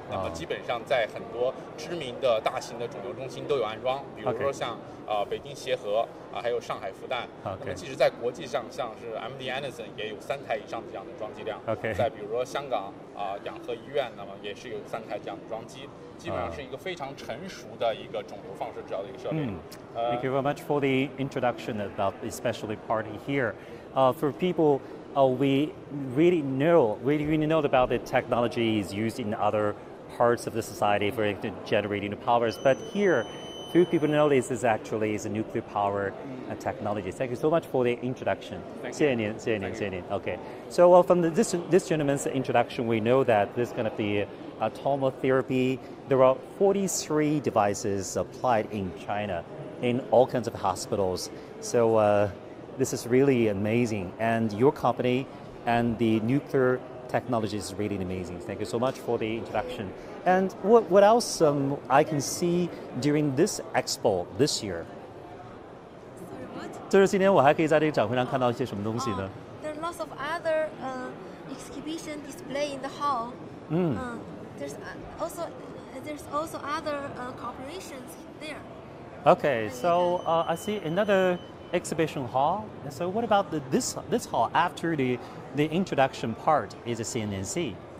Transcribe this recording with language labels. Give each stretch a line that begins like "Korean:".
Chinese: 那么基本上在很多知名的大型的肿瘤中心都有安装，比如说像北京协和还有上海复旦。
English: OK。
Chinese: 那么即使在国际上，像是 MD Anderson 也有3台以上的这样的装机量。
English: OK。
Chinese: 再比如说香港。养和医院那么也是有3台这样的装机，基本上是一个非常成熟的一个肿瘤放射治疗的一个设备。
English: Thank you very much for the introduction about especially part here. For people, we really know about the technology is used in other parts of the society for generating the powers, but here, few people know this is actually is a nuclear power technology. Thank you so much for the introduction. Thank you.
Chinese: 谢谢您
English: Okay. So from this gentleman's introduction, we know that this kind of the tomotherapy. There are 43 devices applied in China in all kinds of hospitals. So this is really amazing. And your company and the nuclear technology is really amazing. Thank you so much for the introduction. And what else I can see during this expo this year? What?
Chinese: 就是今天我还可以在这个展会上看到一些什么东西呢？
English: There are lots of other exhibition display in the hall. There's also other corporations there. Okay, so I see another exhibition hall. So what about this hall after the introduction part is a CNNC?